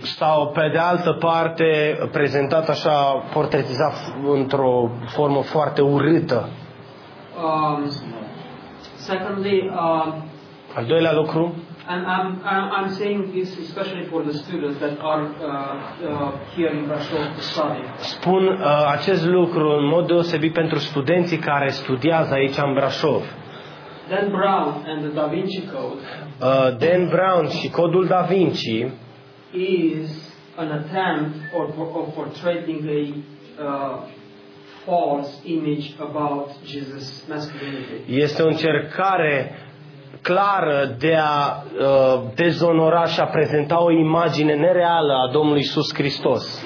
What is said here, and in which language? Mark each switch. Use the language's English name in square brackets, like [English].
[Romanian] Sau pe de altă parte, prezentat așa, portretizat într-o formă foarte urâtă. [English] Secondly, [Romanian] al doilea lucru, [English] and I'm saying this especially for the students that are here in Brașov to study. [Romanian] Spun acest lucru în mod deosebit pentru studenții care studiază aici în Brașov. [English] Dan Brown and the Da Vinci Code. [Romanian] Dan Brown și codul Da Vinci [English] is an attempt or for trading a false image about Jesus' masculinity. [Romanian] Este o încercare clară de a dezonora și a prezenta o imagine nereală a Domnului Iisus Hristos.